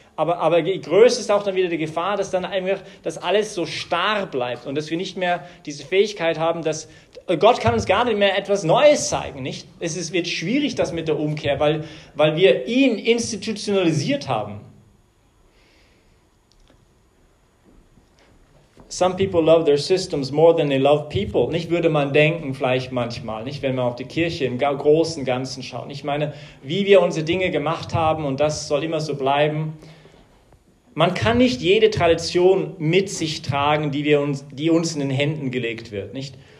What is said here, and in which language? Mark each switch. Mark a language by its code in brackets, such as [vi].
[de] Aber die Größe ist auch dann wieder die Gefahr, dass dann einfach das alles so starr bleibt und dass wir nicht mehr diese Fähigkeit haben, dass Gott kann uns gar nicht mehr etwas Neues zeigen, nicht? Es wird schwierig, das mit der Umkehr, weil wir ihn institutionalisiert haben. [en] Some people love their systems more than they love people. [de] Nicht, würde man denken, vielleicht manchmal, nicht, wenn man auf die Kirche im großen Ganzen schaut. Ich meine, wie wir unsere Dinge gemacht haben und das soll immer so bleiben. Man kann nicht jede Tradition mit sich tragen, die uns in den Händen gelegt wird, nicht?